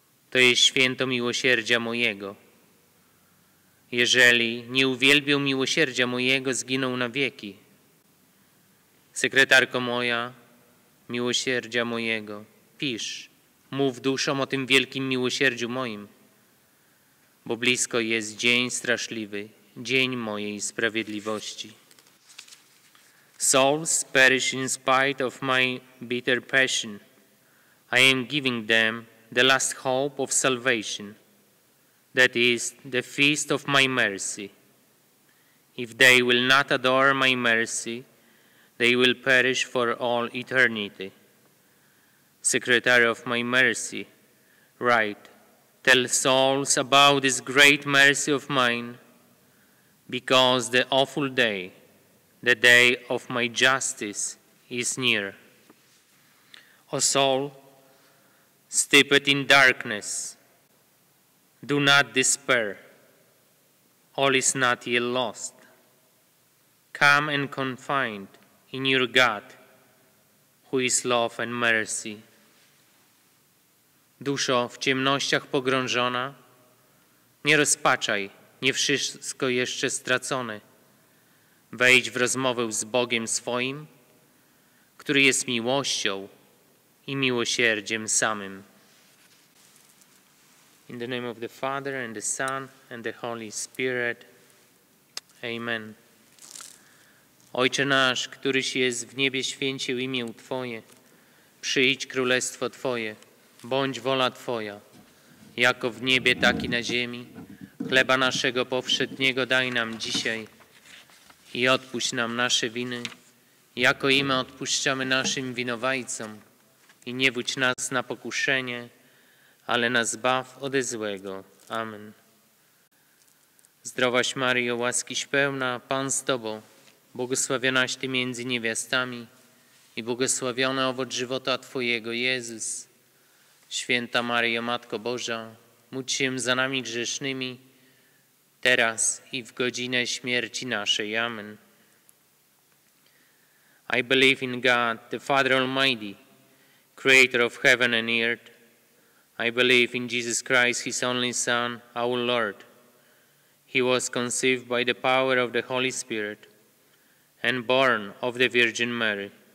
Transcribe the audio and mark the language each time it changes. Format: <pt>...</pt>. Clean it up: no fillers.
<pl>To jest święto miłosierdzia mojego. Jeżeli nie uwielbią miłosierdzia mojego, zginą na wieki. Sekretarko moja, miłosierdzia mojego, pisz, mów duszom o tym wielkim miłosierdziu moim, bo blisko jest dzień straszliwy, dzień mojej sprawiedliwości.</pl> <en>Souls perish in spite of my bitter passion. I am giving them the last hope of salvation. That is the feast of my mercy. If they will not adore my mercy, they will perish for all eternity. Secretary of my mercy, write, tell souls about this great mercy of mine, because the awful day of my justice is near. O soul, steeped in darkness, do not despair, all is not yet lost. Come and confide in your God, who is love and mercy.</en> <pl>Duszo w ciemnościach pogrążona, nie rozpaczaj, nie wszystko jeszcze stracone. Wejdź w rozmowę z Bogiem swoim, który jest miłością i miłosierdziem samym.</pl> <en>In the name of the Father, and the Son, and the Holy Spirit. Amen.</en> <pl>Ojcze nasz, któryś jest w niebie, święcił imię Twoje. Przyjdź królestwo Twoje, bądź wola Twoja, jako w niebie, tak i na ziemi. Chleba naszego powszedniego daj nam dzisiaj i odpuść nam nasze winy, jako i my odpuszczamy naszym winowajcom. I nie wódź nas na pokuszenie, ale nas zbaw ode złego. Amen. Zdrowaś Maryjo, łaskiś pełna, Pan z Tobą, błogosławionaś Ty między niewiastami i błogosławiony owoc żywota Twojego, Jezus. Święta Maryjo, Matko Boża, módl się za nami grzesznymi, teraz i w godzinę śmierci naszej. Amen.</pl> <en>I believe in God, the Father Almighty, Creator of heaven and earth. I believe in Jesus Christ, his only Son, our Lord. He was conceived by the power of the Holy Spirit and born of the Virgin Mary.</en>